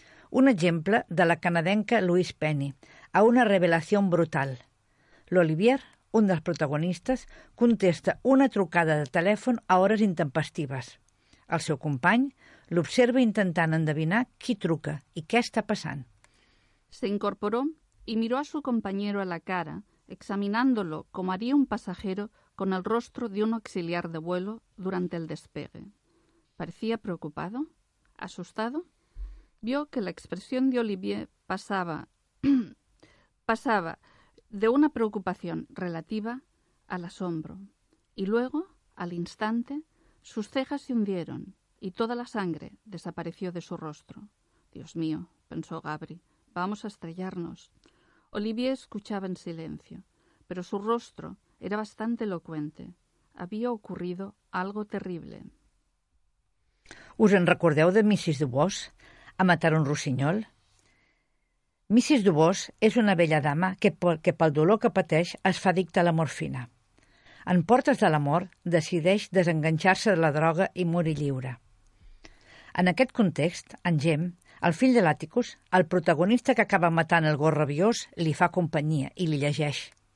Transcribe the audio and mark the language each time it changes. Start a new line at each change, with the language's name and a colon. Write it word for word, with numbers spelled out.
Catalan: Un exemple de la canadenca Louise Penny, a una revelació brutal. L'Olivier, un dels protagonistes, contesta una trucada de telèfon a hores intempestives. El seu company l'observa intentant endevinar qui truca i què està passant.
Spanish: Se incorporó y miró a su compañero a la cara, examinándolo como haría un pasajero con el rostro de un auxiliar de vuelo durante el despegue. Parecía preocupado, asustado. Vio que la expresión de Olivier pasaba, pasaba de una preocupación relativa al asombro. Y luego, al instante, sus cejas se hundieron y toda la sangre desapareció de su rostro. «Dios mío», pensó Gabri, «vamos a estrellarnos». Olivier escuchaba en silencio, pero su rostro era bastante elocuente. Había ocurrido algo terrible.
Catalan: ¿Us en recordeu de missis Dubos? A matar un rossinyol? missis Dubos és una vella dama que, que pel dolor que pateix es fa addicta a la morfina. En portes de la mort decideix desenganxar-se de la droga i morir lliure. En aquest context, en Gem, el fill de l'Àticus, el protagonista que acaba matant el gos rabiós, li fa companyia i li llegeix.